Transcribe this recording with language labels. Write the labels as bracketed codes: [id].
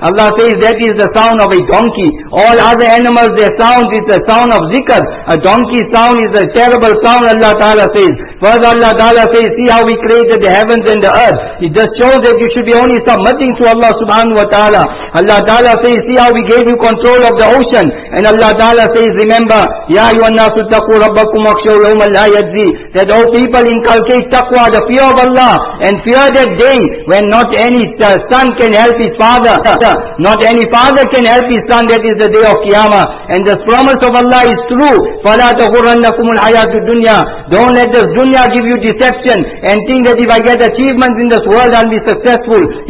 [en] Allah says that is the sound of a donkey. All other animals, their sound is the sound of zikr. A donkey's sound is a terrible sound, Allah Ta'ala says. First Allah Ta'ala says, see how we created the heavens and the earth. It just shows that you should be only submitting to Allah subhanahu wa ta'ala. Allah Ta'ala says, see how we gave you control of the ocean. And Allah Ta'ala says, remember, [ar] يَا أَيُّهَا النَّاسُ اتَّقُوا رَبَّكُمْ وَاخْشَوْا يَوْمًا لَا يَجْزِي. [en] That all people inculcate taqwa, the fear of Allah, and fear that day when not any son can help his father. Not any father can help his son. That is the day of Qiyamah. And this promise of Allah is true. [ar] فَلَا تَغُرَّنَّكُمُ الْحَيَاةُ الدُّنْيَا. [en] Don't let this dunya give you deception and think that if I get achievements in this world, I'll be successful.